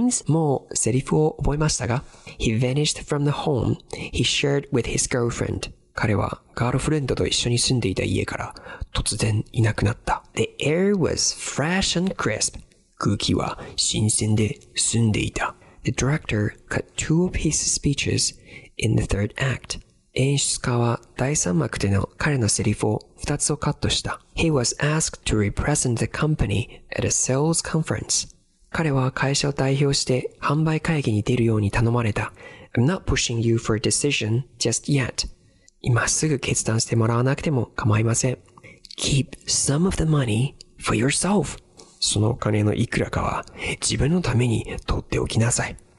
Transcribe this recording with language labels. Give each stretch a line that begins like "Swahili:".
Japanese: もうセリフを覚えましたが。
English: He vanished from the home he shared with his girlfriend.
Japanese: 彼はガールフレンドと一緒に住んでいた家から突然いなくなった。
English: The air was fresh and crisp.
Japanese: 空気は新鮮で澄んでいた。
English: The director cut two piece speeches in the third act.
Japanese: 演出家は第三幕での彼のセリフを二つをカットした。
English: He was asked to represent the company at a sales conference.
Japanese: 彼は会社を代表して販売会議に出るように頼まれた。
English: I'm not pushing you for a decision just yet.
Japanese: 今すぐ決断してもらわなくても構いません。
English: Keep some of the money for yourself.
Japanese: そのお金のいくらかは自分のために取っておきなさい。